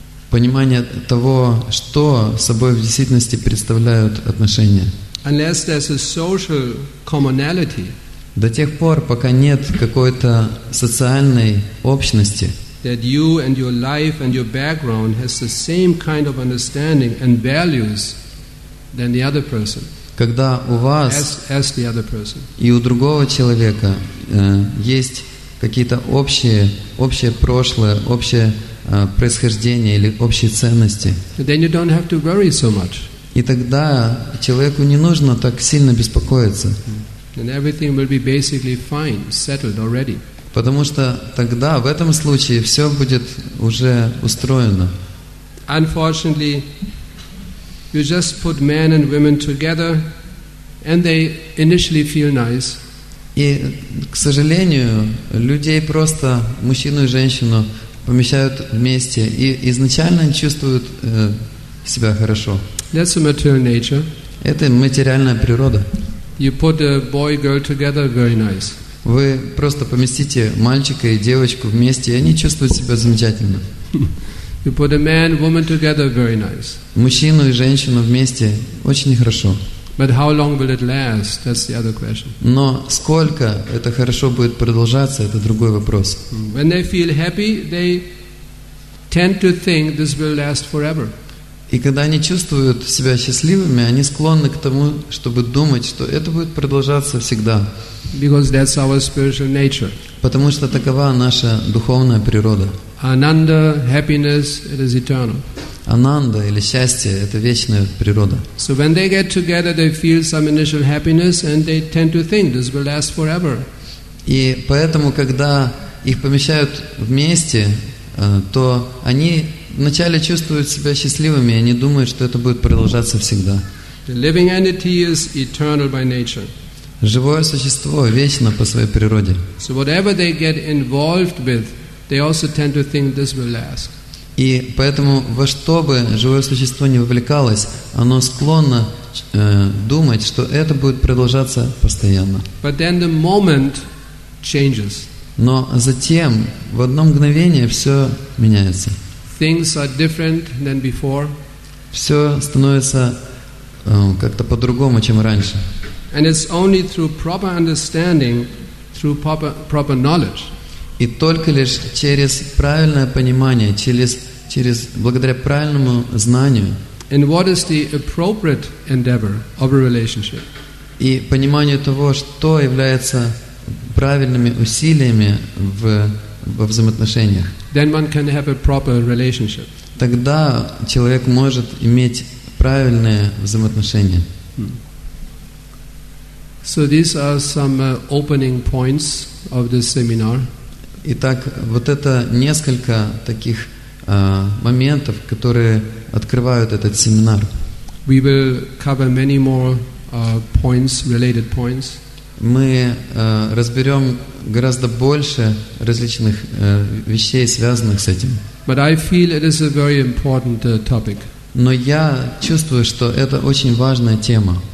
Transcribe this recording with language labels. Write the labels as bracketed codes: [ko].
[ru] Понимание того, что собой в действительности представляют отношения. [en] Unless there's a social commonality. [ru] До тех пор, пока нет какой-то социальной общности. [en] That you and your life and your background has the same kind of understanding and values than the other person. [ru] Когда у вас [en] as the other person. [ru] И у другого человека есть какие-то общее прошлое, общее происхождение или общие ценности. [en] Then you don't have to worry so much. [ru] И тогда человеку не нужно так сильно беспокоиться. [en] And everything will be basically fine, settled already. [ru] Потому что тогда, в этом случае, все будет уже устроено. [en] Unfortunately, you just put men and women together, and they initially feel nice. [ru] И, к сожалению, людей просто, мужчину и женщину, помещают вместе, и изначально чувствуют себя хорошо. [en] That's a material nature. [ru] Это материальная природа. [en] You put a boy, girl together, very nice. [ru] Вы просто поместите мальчика и девочку вместе, и они чувствуют себя замечательно. [en] You put a man, woman together, very nice. [ru] Мужчину и женщину вместе очень хорошо. [en] But how long will it last? That's the other question. [ru] Но сколько это хорошо будет продолжаться, это другой вопрос. [en] When they feel happy, they tend to think this will last forever. [ru] И когда они чувствуют себя счастливыми, они склонны к тому, чтобы думать, что это будет продолжаться всегда. [en] Because that's our spiritual nature. [ru] Потому что такова наша духовная природа. [en] Ananda, happiness, it is eternal. [ru] Ананда или счастье – это вечная природа. [en] So when they get together, they feel some initial happiness, and they tend to think this will last forever. [ru] И поэтому, когда их помещают вместе, то они вначале чувствуют себя счастливыми, и они думают, что это будет продолжаться всегда. [en] The living entity is eternal by nature. [ru] Живое существо вечно по своей природе. [en] So whatever they get involved with, they also tend to think this will last. [ru] И поэтому во что бы живое существо не вовлекалось, оно склонно думать, что это будет продолжаться постоянно. [en] But then the moment changes. [ru] Но затем в одно мгновение все меняется. [en] Things are different than before. [ru] Все становится как-то по-другому, чем раньше. [en] And it's only through proper understanding, through proper knowledge. [ru] И только лишь через правильное понимание, через благодаря правильному знанию. [en] And what is the appropriate endeavor of a relationship? [ru] И пониманию того, что является правильными усилиями во взаимоотношениях. [en] Then one can have a proper relationship. [ru] Тогда человек может иметь правильные взаимоотношения. [en] So these are some opening points of this seminar. [ru] Итак, вот это несколько таких моментов, которые открывают этот семинар. [en] We will cover many more points, related points. [ru] Мы разберем гораздо больше различных вещей, связанных с этим. [en] But I feel it is a very important topic. [ru] Но я чувствую, что это очень важная тема.